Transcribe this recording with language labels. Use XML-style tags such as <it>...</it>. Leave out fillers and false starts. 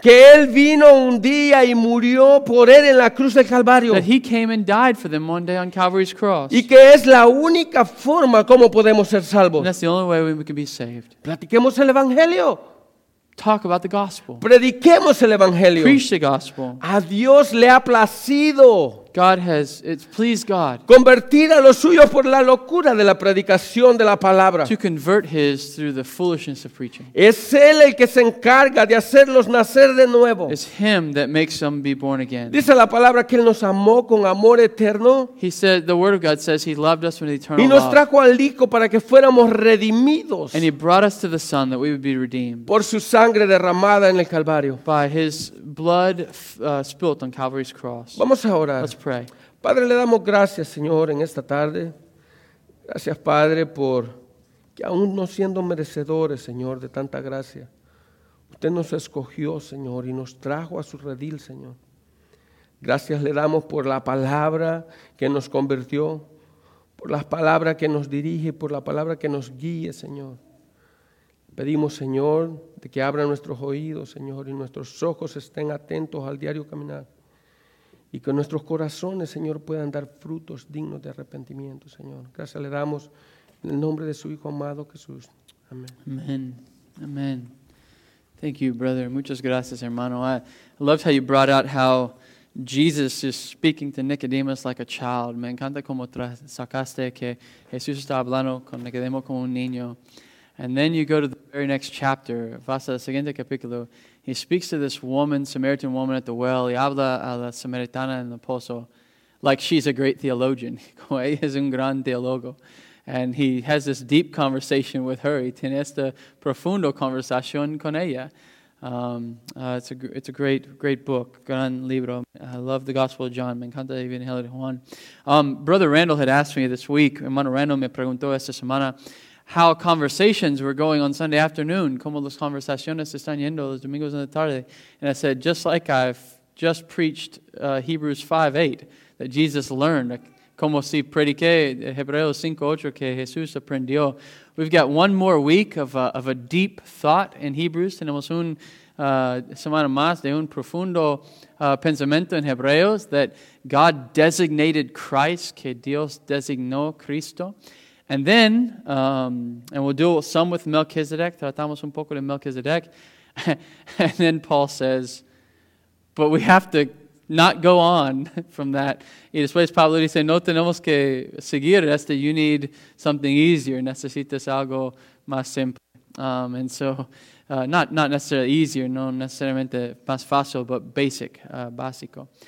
<es>Que Él vino un día y murió por él en la cruz del Calvario.</es> <en>That He came and died for them one day on Calvary's cross.</en> <es>Y que es la única forma como podemos ser salvos.</es> <en>And that's the only way we can be saved.</en> <es>Platiquemos el evangelio.</es> <en>Talk about the gospel.</en> <es>Prediquemos el evangelio.</es> <en>Preach the gospel.</en> <es>A Dios le ha placido.</es> <en>God has, it's pleased God.</en> <es>Convertir a los suyos por la locura de la predicación de la palabra.</es> <en>To convert his through the foolishness of preaching.</en> <es>Es él el que se encarga de hacerlos nacer de nuevo.</es> <en>It's him that makes them be born again.</en> <es>Dice la palabra que él nos amó con amor eterno.</es> <en>He said, the word of God says he loved us with eternal love.</en> <es>Y nos</es> <en>love.</en> <es>Trajo al hijo para que fuéramos redimidos.</es> <en>And he brought us to the son that we would be redeemed.</en> <es>Por su sangre derramada en el Calvario.</es> <en>By his blood spilt on Calvary's cross.</en> <es>Vamos a orar.</es> <en>Let's pray.</en> <es>Padre, le damos gracias, Señor, en esta tarde. Gracias, Padre, por que aún no siendo merecedores, Señor, de tanta gracia, usted nos escogió, Señor, y nos trajo a su redil, Señor. Gracias le damos por la palabra que nos convirtió, por la palabra que nos dirige, por la palabra que nos guíe, Señor. Pedimos, Señor, de que abra nuestros oídos, Señor, y nuestros ojos estén atentos al diario caminar. Y que nuestros corazones, Señor, puedan dar frutos dignos de arrepentimiento, Señor. Gracias le damos en el nombre de su Hijo amado, Jesús. Amén.</es> <en>Amén. Amén. Thank you, brother.</en> <es>Muchas gracias, hermano.</es> <en>I loved how you brought out how Jesus is speaking to Nicodemus like a child.</en> <es>Me encanta cómo sacaste que Jesús está hablando con Nicodemo como un niño.</es> <en>And then you go to the very next chapter,</en> <es>vas al siguiente capítulo.</es> <en>He speaks to this woman, Samaritan woman at the well.</en> <es>Y habla a la Samaritana en el pozo</es> <en>like she's a great theologian.</en> <es>Como ella es un gran teólogo.</es> <en>And he has this deep conversation with her.</en> <es>Y tiene esta profunda conversación con ella.</es> <en>It's a great, great book.</en> <es>Gran libro.</es> <en>I love the Gospel of John.</en> <es>Me encanta el Evangelio de Juan.</es> <en>Brother Randall had asked me this week,</en> <es>hermano Randall me preguntó esta semana,</es> <en>how conversations were going on Sunday afternoon.</en> <es>Como las conversaciones están yendo los domingos en la tarde.</es> <en>And I said, just like I've just preached Hebrews 5:8, that Jesus learned.</en> <es>Como si prediqué Hebreos 5:8 que Jesús aprendió.</es> <en>We've got one more week of a deep thought in Hebrews.</en> <es>Tenemos un semana más de un profundo pensamiento en Hebreos</es> <en>that God designated Christ,</en> <es>que Dios designó Cristo.</es> <en>And then, and we'll do some with Melchizedek,</en> <es>tratamos un poco de Melchizedek,</es> <en>and then Paul says, but we have to not go on from that.</en> <es>Y después Pablo dice, no tenemos que seguir, este,</es> <en>you need something easier,</en> <es>necesitas algo más simple.</es> <en>Not necessarily easier,</en> <es>no necesariamente más fácil,</es> <en>but basic,</en> <es>básico.</es>